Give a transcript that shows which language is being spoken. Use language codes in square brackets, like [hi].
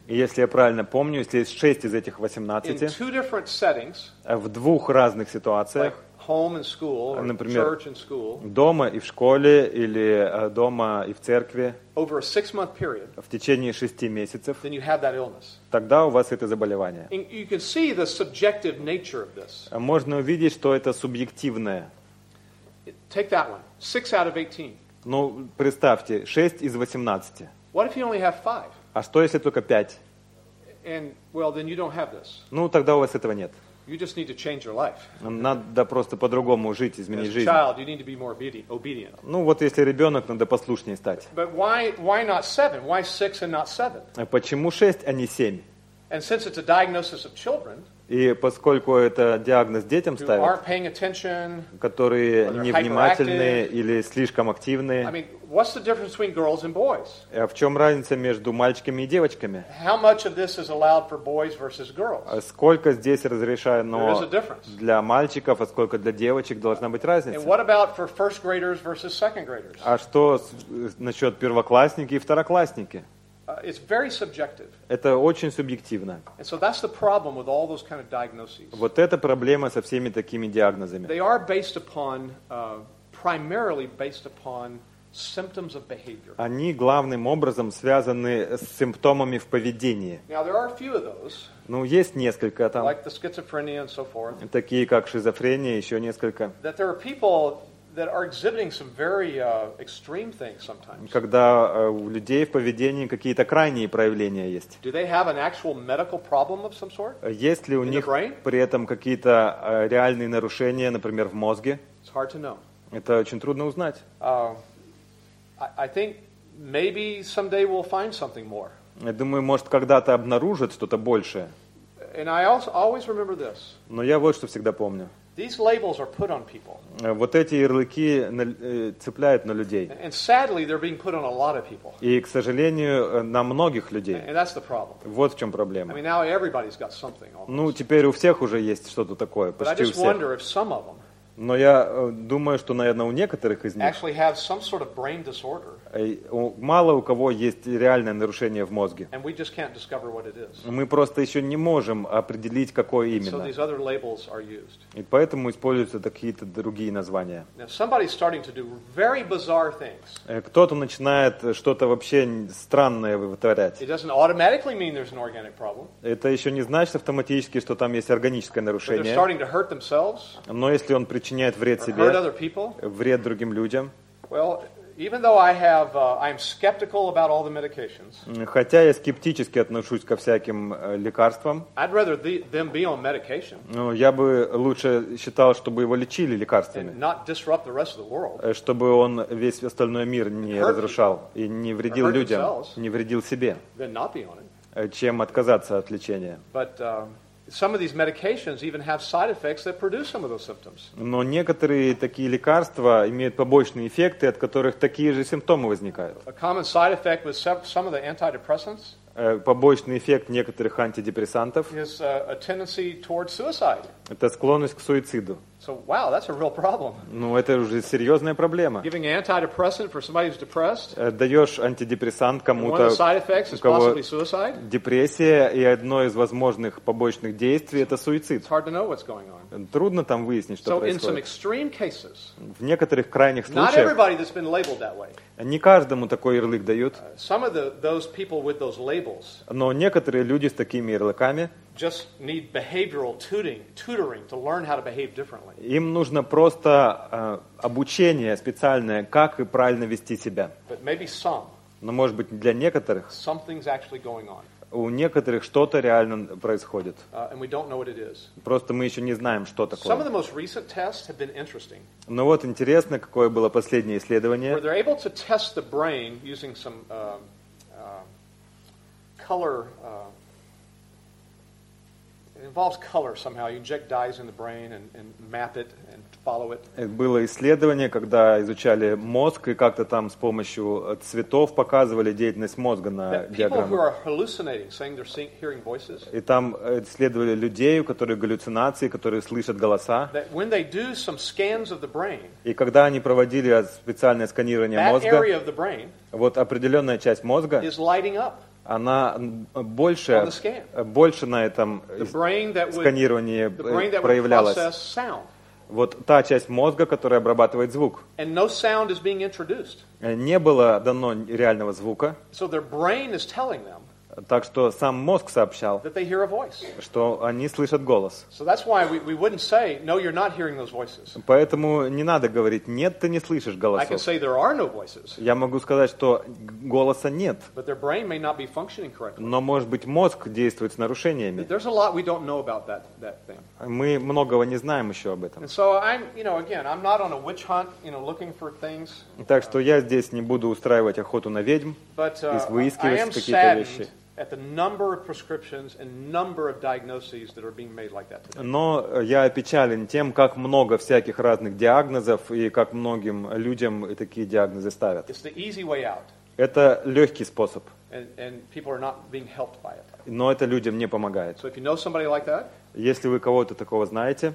[ru] И если я правильно помню, если есть 6 из этих 18. [en] In two different settings. [ru] В двух разных ситуациях. [en] Like home and school, or [ru] например, [en] church and school. [ru] Дома и в школе или дома и в церкви. [en] Over a six-month period. [ru] В течение 6 месяцев. [en] Then you have that illness. [ru] Тогда у вас это заболевание. [en] And you can see the subjective nature of this. [ru] Можно увидеть, что это субъективное. [en] Take that one. 6 out of 18. [ru] Ну, представьте, 6 из 18. [en] What if you only have 5? [ru] А что если только 5? [en] And well, then you don't have this. [ru] Ну, тогда у вас этого нет. [en] You just need to change your life. [ru] Надо просто по-другому жить, изменить жизнь. [en] Child, you need to be more obedient. [ru] Ну вот если ребёнок, надо послушнее стать. [en] But why not 7? Why 6 and not 7? [ru] А почему 6, а не 7? [en] And since it's a diagnosis of children. [ru] И поскольку это диагноз детям ставят. [en] Who aren't paying attention? [ru] Которые невнимательные или слишком активные. [en] I mean, what's the difference between girls and boys? [ru] А в чём разница между мальчиками и девочками? [en] How much of this is allowed for boys versus girls? [ru] Сколько здесь разрешено для мальчиков, а сколько для девочек, должна быть разница? [en] And what about for first graders versus second graders? [ru] А что насчёт первоклассники и второклассники? [en] It's very subjective. [ru] Это очень субъективно. [en] And so that's the problem with all those kind of diagnoses. [ru] Вот это проблема со всеми такими диагнозами. [en] They are based upon primarily based upon symptoms of behavior. [ru] Они главным образом связаны с симптомами в поведении. [en] Now there are a few of those. [ru] Ну есть несколько там. [en] Like the schizophrenia and so forth. [ru] Такие как шизофрения, ещё несколько. [en] That there are people that are exhibiting some very extreme things sometimes. [ru] Когда у людей в поведении какие-то крайние проявления есть. [en] Do they have an actual medical problem of some sort? [ru] Есть ли у них при этом какие-то реальные нарушения, например, в мозге? [en] It's hard to know. [ru] Это очень трудно узнать. [en] I think maybe someday we'll find something more. [ru] Я думаю, может, когда-то обнаружат что-то большее. [en] And I also always remember this. [ru] Но я вот что всегда помню. [en] These labels are put on people. [ru] Вот эти ярлыки цепляют на людей. [en] And sadly, they're being put on a lot of people. [ru] И, к сожалению, на многих людей. [en] And that's the problem. [ru] Вот в чём проблема. [en] I mean, now everybody's got something. Almost. [ru] Ну, теперь у всех уже есть что-то такое, почти у всех. [en] But I just wonder if some of them. [ru] Но я думаю, что, наверное, у некоторых из них. [en] Actually have some sort of brain disorder. [ru] Мало у кого есть реальное нарушение в мозге. [en] And we just can't discover what it is. [ru] Мы просто еще не можем определить, какое именно. [en] So these other labels are used. [ru] И поэтому используются какие-то другие названия. [en] Now somebody's starting to do very bizarre things. [ru] Кто-то начинает что-то вообще странное вытворять. [en] It doesn't automatically mean there's an organic problem. [ru] Это еще не значит автоматически, что там есть органическое нарушение. [en] But they're starting to hurt themselves. [ru] Но если он причиняет вред себе, [en] or hurt other people, [ru] вред другим людям. [en] Well, even though I have, I'm skeptical about all the medications. [ru] Хотя я скептически отношусь ко всяким лекарствам. [en] I'd rather them be on medication. [ru] Ну, я бы лучше считал, чтобы его лечили лекарствами. [en] And not disrupt the rest of the world. [ru] Чтобы он весь остальной мир не разрушал и не вредил людям, не вредил себе. [en] Then not be on it. [ru] Чем отказаться от лечения? [en] But some of these medications even have side effects that produce some of those symptoms. [ru] Но некоторые такие лекарства имеют побочные эффекты, от которых такие же симптомы возникают. [en] A common side effect with some of the antidepressants. [ru] Побочный эффект некоторых антидепрессантов. [en] Is a tendency towards suicide. [ru] Это склонность к суициду. [en] So, wow, that's a real problem. [ru] Ну, это уже серьезная проблема. [en] Giving antidepressant for somebody who's depressed. [ru] Даешь антидепрессант кому-то, [en] one of the side effects [ru] у кого [en] is possibly suicide. [ru] Депрессия, и одно из возможных побочных действий – это суицид. [en] It's hard to know what's going on. [ru] Трудно там выяснить, что [en] so [ru] происходит. [en] In some extreme cases, [ru] в некоторых крайних случаях, [en] not everybody that's been labeled that way. [ru] Не каждому такой ярлык дают. [en] Some of those people with those labels, [ru] но некоторые люди с такими ярлыками [en] just need behavioral tutoring to learn how to behave differently. [ru] Им нужно просто обучение специальное, как и правильно вести себя. [en] But maybe some. [ru] Но может быть для некоторых. [en] Something's actually going on. [ru] У некоторых что-то реально происходит. [en] And we don't know what it is. [ru] Просто мы еще не знаем, что такое. [en] Some of the most recent tests have been interesting. [ru] Но вот интересно, какое было последнее исследование. [en] Where they're able to test the brain using some color. It involves color somehow. You inject dyes in the brain and map it and follow it. [ru] Было исследование, когда изучали мозг и как-то там с помощью цветов показывали деятельность мозга на диаграмме. [en] People who are hallucinating, saying they're hearing voices. [ru] И там исследовали людей, у которых галлюцинации, которые слышат голоса. [en] That when they do some scans of the brain. [ru] И когда они проводили специальное сканирование мозга. [en] That area of the brain. [ru] Вот определенная часть мозга. [en] Is lighting up. [ru] Она больше на этом сканировании проявлялась. Вот та часть мозга, которая обрабатывает звук. [en] And no sound is being introduced. [ru] Не было дано реального звука. [en] So their brain is telling them, [ru] так что сам мозг сообщал, [en] that they hear a voice. [ru] Что они слышат голос. [en] So that's why we wouldn't say, no, you're not hearing those voices. [ru] Поэтому не надо говорить, нет, ты не слышишь голосов. [en] I can say there are no voices. [ru] Я могу сказать, что голоса нет. [en] But their brain may not be functioning correctly. [ru] Но, может быть, мозг действует с нарушениями. [en] There's a lot we don't know about that thing. [ru] Мы многого не знаем еще об этом. [en] And so I'm, you know, again, I'm not on a witch hunt, you know, looking for things. [ru] Так что я здесь не буду устраивать охоту на ведьм, выискивать какие-то вещи. [en] At the number of prescriptions and number of diagnoses that are being made like that today. [ru] Но я опечален тем, как много всяких разных диагнозов и как многим людям такие диагнозы ставят. [en] It's the easy way out. [ru] Это легкий способ. [en] And people are not being helped by it. [ru] Но это людям не помогает. [en] So if you know somebody like that, [ru] если вы кого-то такого знаете,